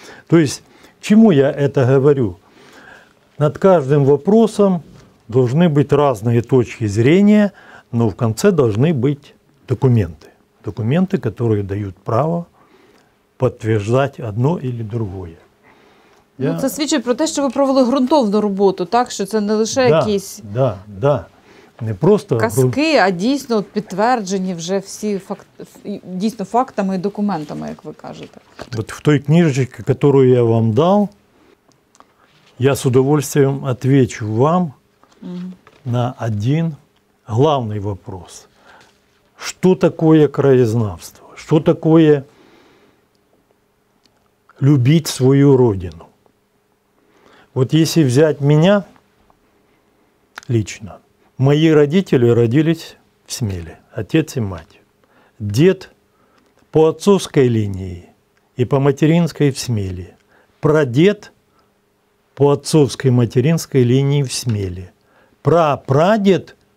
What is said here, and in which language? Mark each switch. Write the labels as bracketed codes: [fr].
[ru] То есть, чему я это говорю? Над каждым вопросом должны быть разные точки зрения, но в конце должны быть документы. Документы, которые дают право подтверждать одно или другое. Я... Ну, это свідчить про то, что вы провели грунтовную работу, так? Что это [uk] не лише якісь... [ru] Да, да. Не просто... [uk] Казки, а дійсно підтверджені вже всі дійсно фактами і документами, як ви кажете. От в той книжечці, яку я вам дав, [ru] я з удовольствием отвечу вам на один главный вопрос. [uk] Що таке краєзнавство? Що таке любить свою родину? От якщо взяти мене [ru] лично, мои родители родились в Смеле, отец и мать. Дед по отцовской линии и по материнской в Смеле. Прадед по отцовской материнской линии в Смеле. Прапрадед